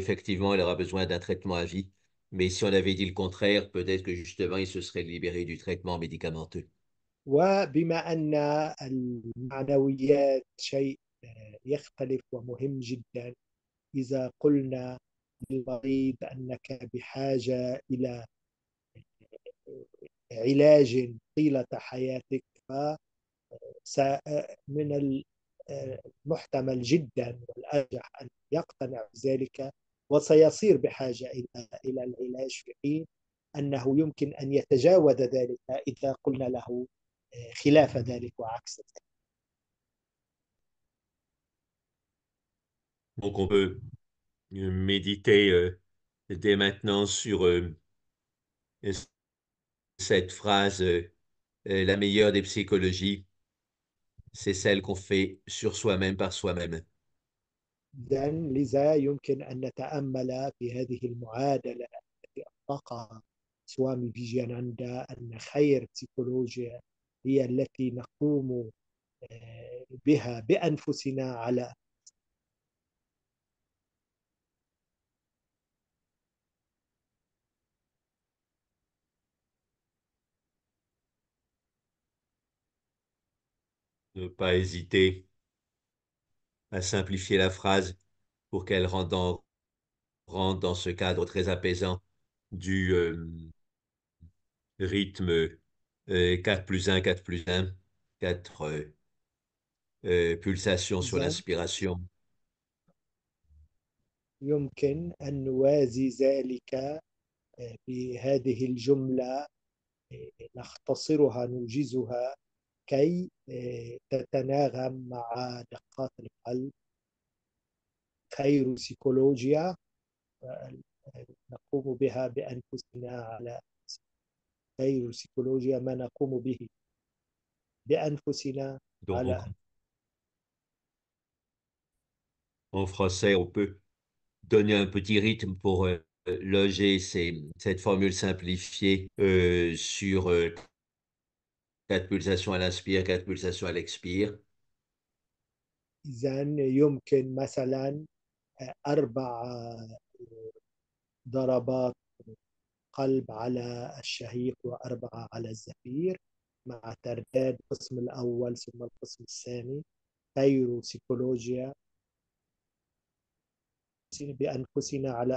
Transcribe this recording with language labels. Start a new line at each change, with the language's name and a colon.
French: Effectivement, il aura besoin d'un traitement à vie. Mais si on avait dit le contraire, peut-être que justement, il se serait libéré du traitement médicamenteux.
Arabic: وبما أن المعنويات شيء يختلف ومهم جدا، إذا قلنا للمريض أنك بحاجة إلى علاج طيلة حياتك، فمن المحتمل جدا والأرجح أن يقتنع بذلك وسيصير بحاجة إلى العلاج، في حين أنه يمكن أن يتجاوز ذلك إذا قلنا له خلاف ذلك وعكس ذلك.
French: Donc, on peut méditer dès maintenant sur cette phrase, la meilleure des psychologies, c'est celle qu'on fait sur soi-même par soi-même.
Arabic: إذن لذا يمكن أن نتأمل في هذه المعادلة التي أطلقها سوامي فيجياناندا، أن خير سيكولوجيا هي التي نقوم بها بأنفسنا على
French: Ne pas hésiter à simplifier la phrase pour qu'elle rentre dans ce cadre très apaisant du rythme 4 plus 1, 4 plus 1, 4 pulsations sur
Arabic: إذن
French: l'inspiration.
Arabic: يمكن أن نوازي ذلك بهذه الجملة، نختصرها نوجزها كي تتناغم مع دقات القلب. خير سيكولوجيا نقوم بها بأنفسنا على خير سيكولوجيا ما نقوم به بأنفسنا على
French: Donc, en français, on peut donner un petit rythme pour loger cette formule simplifiée sur 4 pulsations à l'inspire, 4 pulsations à l'expire.
Arabic: إذن يمكن مثلا 4 ضربات قلب على الشهيق و4 على الزفير، مع ترداد القسم الأول ثم القسم الثاني. خير سيكولوجيا بأنفسنا على